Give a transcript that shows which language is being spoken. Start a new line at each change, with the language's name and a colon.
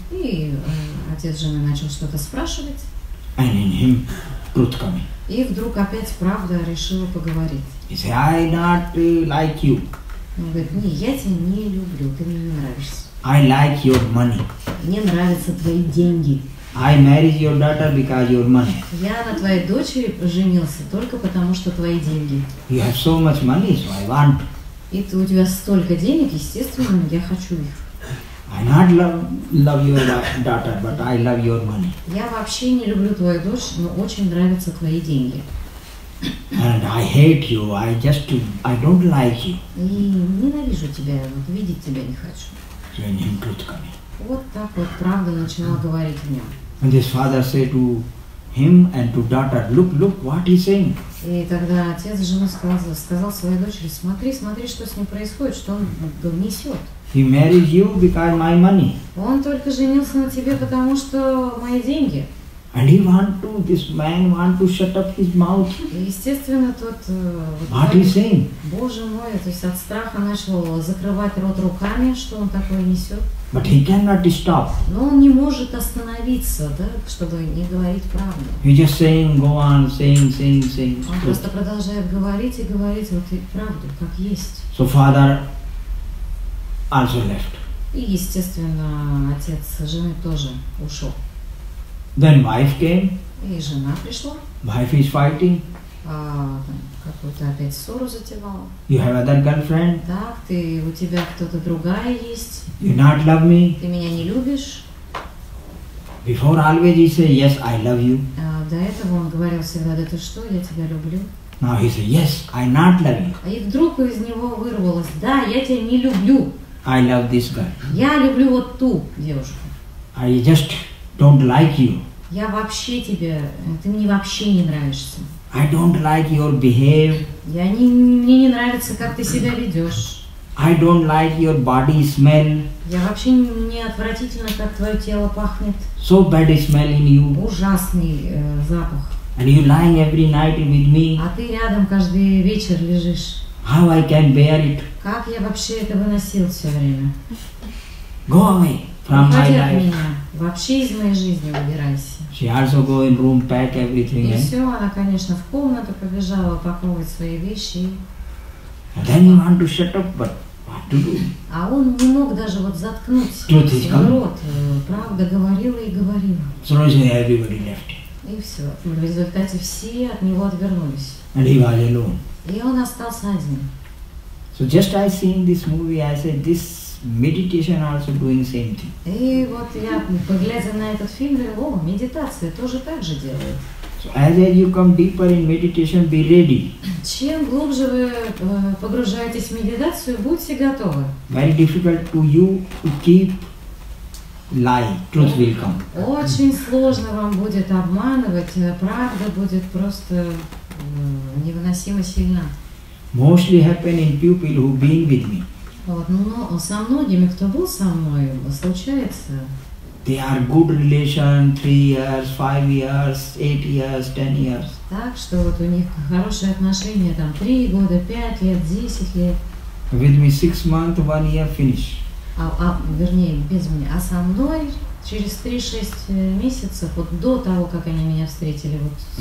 Russian: И отец жены начал что-то спрашивать.
English: And in him truth coming.
Russian: И вдруг опять правда решила поговорить.
English: He say, I not like you.
Russian: Он говорит, не, я тебя не люблю, ты мне не нравишься.
English: I like your money.
Russian: Мне нравятся твои деньги.
English: I married your daughter because your money.
Russian: Я на твоей дочери женился только потому, что твои деньги.
English: You have so much money, so I want.
Russian: И у тебя столько денег, естественно, я хочу их.
English: I not love your daughter, but I love your money.
Russian: Я вообще не люблю твою дочь, но очень нравятся твои деньги.
English: And I hate you. I don't like you.
Russian: И ненавижу тебя, вот видеть тебя не хочу. Я не люблю тебя. Вот так вот правда начала говорить в нем.
English: And his father said to him and to daughter, look what he's saying.
Russian: И тогда отец жены сказал своей дочери, смотри, что с ним происходит, что он несет.
English: He married you because my money.
Russian: Он только женился на тебе, потому что мои деньги.
English: Ali want to, this man want to shut up his mouth.
Russian: Естественно, тот...
English: What is he saying?
Russian: Боже мой, то есть от страха начал закрывать рот руками, что он такое несет.
English: But he cannot stop.
Russian: Но он не может остановиться, да, чтобы не говорить правду.
English: He just saying, go on, saying, saying, saying.
Russian: Он просто продолжает говорить и говорить вот и правду, как есть.
English: So father also left.
Russian: И, естественно, отец жены тоже ушел.
English: Then wife came.
Russian: И жена пришла.
English: Wife is fighting.
Russian: Какую-то опять ссору затевала.
English: You have other girlfriend.
Russian: Так, ты, у тебя кто-то другая есть.
English: You not love me.
Russian: Ты меня не любишь.
English: Before always he said, yes, I love you.
Russian: До этого он говорил всегда, да ты что, я тебя люблю.
English: Now he said, yes, I not love you.
Russian: И вдруг из него вырвалось, да, я тебя не люблю.
English: I love this girl.
Russian: Я люблю вот ту девушку.
English: I just don't like you.
Russian: Я вообще тебе, ты мне вообще не нравишься.
English: I don't like your behavior.
Russian: Я не, мне не нравится, как ты себя ведешь.
English: I don't like your body smell.
Russian: Я вообще не отвратительно, как твое тело пахнет.
English: So bad smell in you.
Russian: Ужасный запах.
English: And you lying every night with me.
Russian: А ты рядом каждый вечер лежишь.
English: How I can bear it?
Russian: Как я вообще это выносил все время?
English: Go away from
Russian: уходи
English: my life.
Russian: От меня. Вообще из моей жизни убирайся.
English: She also go in room, pack everything.
Russian: И все, она, конечно, в комнату побежала упаковывать свои вещи.
English: And then he want to shut up, but what to do?
Russian: А он не мог даже вот заткнуть свой рот. Правда, говорила и говорила.
English: So everybody left.
Russian: И все. В результате все от него отвернулись.
English: And he was alone.
Russian: И он остался один.
English: So just I seen this movie, I said this meditation also doing the same thing.
Russian: И вот я, поглядя на этот фильм, говорю, о, медитация тоже так же делает.
English: So as you come deeper in meditation, be ready.
Russian: Чем глубже вы погружаетесь в медитацию, будьте готовы.
English: Very difficult to you to keep lying. Truth will come.
Russian: Очень сложно вам будет обманывать, правда будет просто невыносимо сильна.
English: Mostly happen in people who been with me.
Russian: Вот, но со многими, кто был со мной, случается.
English: They are good relation 3 years, 5 years, 8 years, 10 years.
Russian: Так что вот у них хорошие отношения там 3 года, 5 лет, 10 лет.
English: With me 6 months, 1 year finish.
Russian: Вернее, без меня. А со мной через 3-6 месяцев, вот до того, как они меня встретили, вот.